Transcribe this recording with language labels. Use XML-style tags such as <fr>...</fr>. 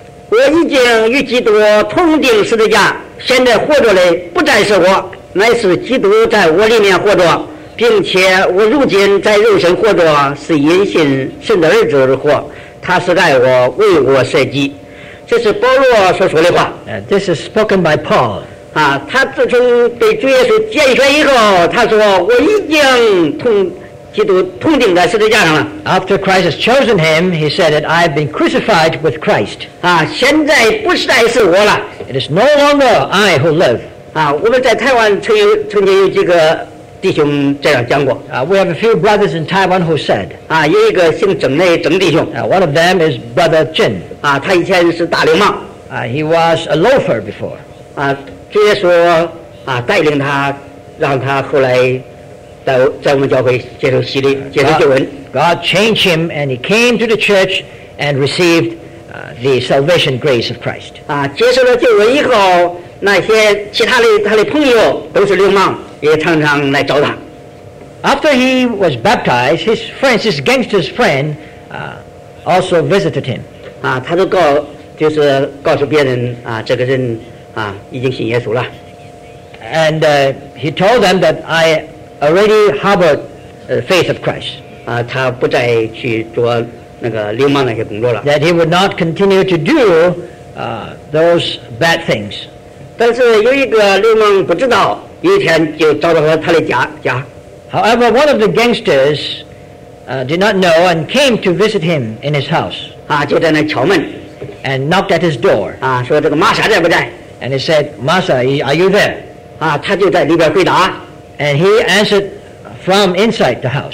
<zh>我已经与基督同钉十字架，现在活着的不再是我，乃是基督在我里面活着，并且我如今在肉身活着，是因信神的儿子而活，他是爱我，为我舍己。这是保罗所说的话。</zh> <en>This is spoken by Paul.</en> <zh>啊，他自从被主耶稣拣选以后，他说我已经同。</zh> <en>After Christ has chosen him, he said that I have been crucified with Christ.</en> <zh>啊，现在不再是我了。</zh> <en>It is no longer I who live.</en> <zh>啊，我们在台湾曾经有几个弟兄这样讲过。</zh> <en>We have a few brothers in Taiwan who said.</en> <zh>啊，有一个姓郑的郑弟兄。</zh> <en>One of them is Brother Jin.</en> <zh>啊，他以前是大流氓。</zh> <en>He was a loafer before.</en> <zh>啊，主耶稣啊带领他，让他后来。在我们教会接受洗礼，接受救恩。</zh> <en>God changed him, and he came to the church and received the salvation grace of Christ.</en> <zh>啊，接受了救恩以后，那些其他的他的朋友都是流氓，也常常来找他。</zh> <en>After he was baptized, his friends, his gangster's friend, also visited him.</en> <zh>啊，他都告诉别人啊，这个人啊已经信耶稣了。</zh> <en>And he told them that I. Already harbored the faith of Christ.</en> <zh>啊，他不再去做那个流氓那些工作了。</zh> <en>That he would not continue to do those bad things.</en> <zh>但是有一个流氓不知道，</zh> <en>However, one of the gangsters did not know and came to visit him in his house. And knocked at his door. And he said, Masa, are you there? And he answered from inside the house.</en>